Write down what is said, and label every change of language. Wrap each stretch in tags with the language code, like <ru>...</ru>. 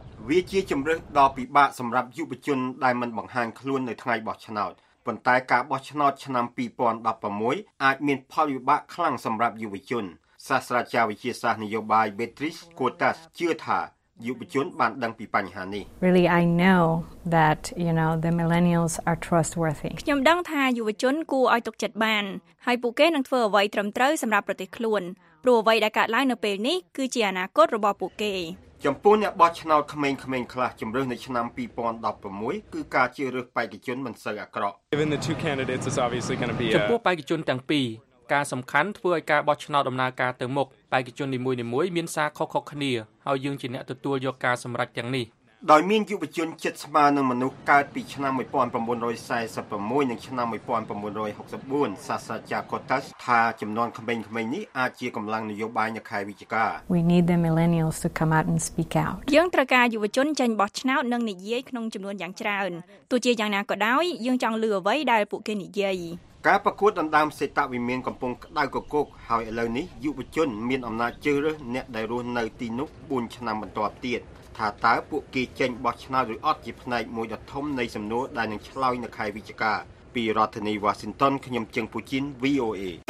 <km>វាជាជំរើសដ៏ពិបាកសម្រាប់យុវជនដែលមិនបង្ហាញខ្លួននៅថ្ងៃបោះឆ្នោតប៉ុន្តែការបោះឆ្នោតឆ្នាំ2016អាចមានផលវិបាកខ្លាំងសម្រាប់យុវជនសាស្ត្រាចារ្យវិទ្យាសាស្ត្រនយោបាយ Beatrice Quotas ជឿថាយុវជនបានដឹងពីបញ្ហានេះ</km> <en>Really I know that you know the millennials are trustworthy</en> <km>ខ្ញុំដឹងថាយុវជនគួរឲ្យទុកចិត្តបានហើយពួកគេនឹងធ្វើអ្វីត្រឹមត្រូវសម្រាប់ប្រទេសខ្លួនព្រោះអ្វីដែលកើតឡើងនៅពេលនេះគឺជាអនាគតរបស់ពួកគេ ចំពោះអ្នកបោះឆ្នោតក្មេងៗខ្លះជម្រើសនៅឆ្នាំ2016គឺការជ្រើសរើសបេក្ខជនមិនសូវអាក្រក់ ចំពោះបេក្ខជនទាំងពីរការសំខាន់ធ្វើឲ្យការបោះឆ្នោតដំណើរការទៅមុខបេក្ខជននីមួយៗមានសារខុសៗគ្នាហើយយើងជាអ្នកទទួលយកការសម្រេចទាំងនេះ ដោយមានយុវជនចិត្តស្មារនឹងមនុស្សកើតពីឆ្នាំ1946និងឆ្នាំ1964សាស្ត្រាចារ្យ Cottas ថាចំនួនក្មេងៗនេះអាចជាកម្លាំងនយោបាយនៅខែវិច្ឆិកា</km> <en>We need the millennials to come out and speak out</en> <km>យើងត្រូវការយុវជនចេញបោះឆ្នោតនិងនិយាយក្នុងចំនួនយ៉ាងច្រើនទោះជាយ៉ាងណាក៏ដោយយើងចង់លើអ្វីដែលពួកគេនិយាយ ការប្រកួតដណ្ដើមសេតវិមានកំពុងក្តៅគគុកហើយឥឡូវនេះយុវជនមានអំណាចជ្រើសរើសអ្នកដែលរស់នៅទីនោះ4ឆ្នាំបន្តទៀតថាតើពួកគេចេញបោះឆ្នោតឬអត់ជាផ្នែកមួយដ៏ធំនៃសំណួរដែលនឹងឆ្លើយនៅខែវិច្ឆិកាពីរដ្ឋធានីវ៉ាស៊ីនតោនខ្ញុំជឹងពូជីន VOA</km>